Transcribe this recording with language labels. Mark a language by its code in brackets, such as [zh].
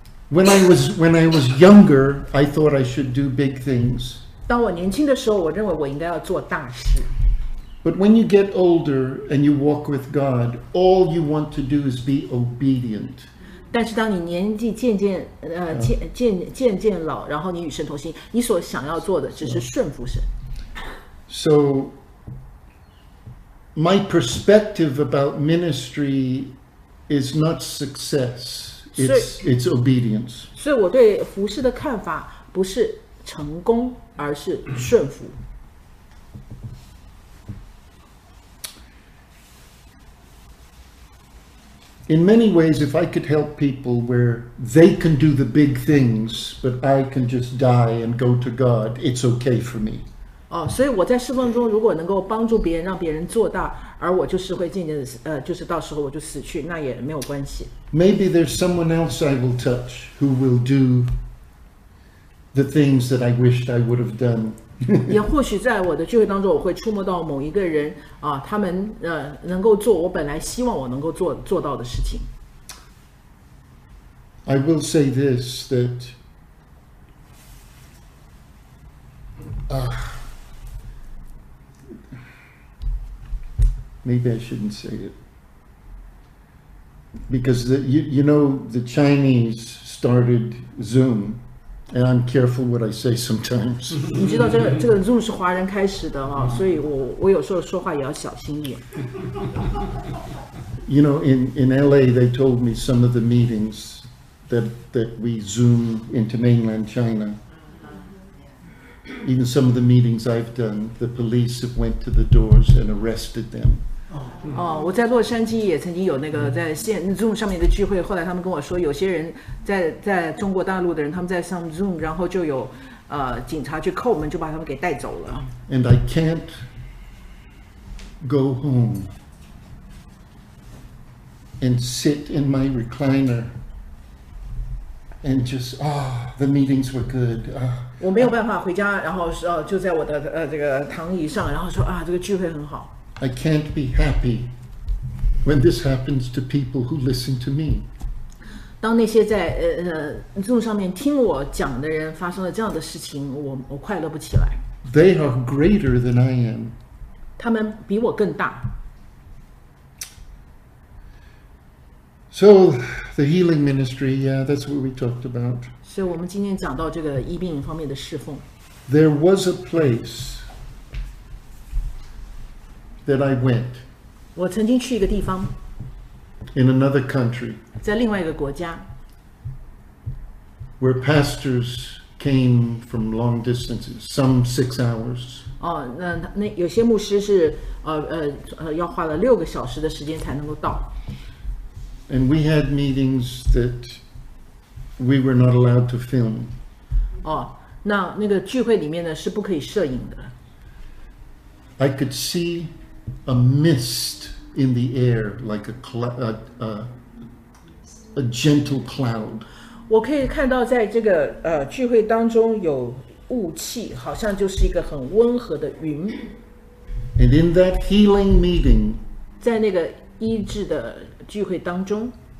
[en] When I was younger, I thought I should do big things. [zh] 当我年轻的时候，我认为我应该要做大事。 [en] But when you get older and you walk with God, all you want to do is be obedient. [zh] 但是当你年纪渐渐老，然后你与神同行，你所想要做的只是顺服神。 [en] So my perspective about ministry is not success. It's obedience. [zh] 所以我对服事的看法不是成功，而是顺服。 [en] In many ways, if I could help people where they can do the big things, but I can just die and go to God, it's okay for me. [zh] 哦，所以我在侍奉中如果能够帮助别人，让别人做大。而我就是会渐渐的，就是到时候我就死去，那也没有关系。 [en] Maybe there's someone else I will touch who will do the things that I wished I would have done. [zh] 也或许在我的聚会当中，我会触摸到某一个人啊，他们能够做我本来希望我能够做到的事情。 [en] I will say this that. Maybe I shouldn't say it. Because the Chinese started Zoom, and I'm careful what I say sometimes. [zh] 你知道这个 Zoom 是华人开始的哈，所以我有时候说话也要小心一点。 [en] You know, in LA, they told me some of the meetings that we Zoom into mainland China. Even some of the meetings I've done, the police have went to the doors and arrested them. [zh] 哦，我在洛杉矶也曾经有那个在线 Zoom 上面的聚会，后来他们跟我说，有些人在中国大陆的人，他们在上 Zoom， 然后就有警察去叩门，就把他们给带走了。 [en] And I can't go home and sit in my recliner and just the meetings were good. [zh] 我没有办法回家，然后就在我的这个躺椅上，然后说这个聚会很好。 [en] I can't be happy when this happens to people who listen to me. [zh] 当那些在Zoom 上面听我讲的人发生了这样的事情，我快乐不起来。 [en] They are greater than I am. [zh] 他们比我更大。 [en] So the healing ministry, yeah, that's what we talked about. [zh] 所以我们今天讲到这个医病方面的侍奉。 [en] There was a place. That I went. [zh] 我曾经去一个地方。 [en] In another country. [zh] 在另外一个国家。 [en] Where pastors came from long distances, some 6 hours. [zh] 哦，那有些牧师是要花了六个小时的时间才能够到。 [en] And we had meetings that we were not allowed to film. [zh] 哦，那个聚会里面呢是不可以摄影的。 [en] I could see a mist in the air, like a gentle cloud. [zh] 我可以看到在这个聚会当中有雾气，好像就是一个很温和的云。 [en] And in that healing meeting, [zh] 在那个医治的聚会当中